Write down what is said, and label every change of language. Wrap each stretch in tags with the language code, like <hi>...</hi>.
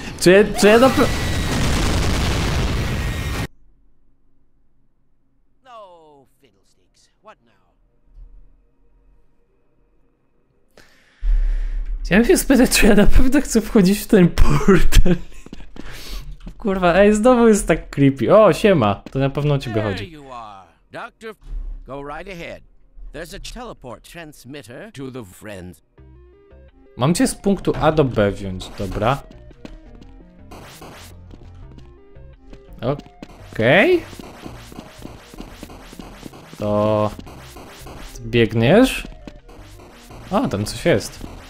<pl>Czy ja chciałem się spytać, czy ja na pewno chcę wchodzić w ten portal. Kurwa, ej, znowu jest tak creepy. O, siema, to na pewno o ciebie chodzi.</pl> <en>Doctor, go right ahead. There's a teleport transmitter to the friends.</en> <pl>Mam cię z punktu A do B wziąć, dobra. Okej. To... biegniesz? A, tam coś jest.</pl>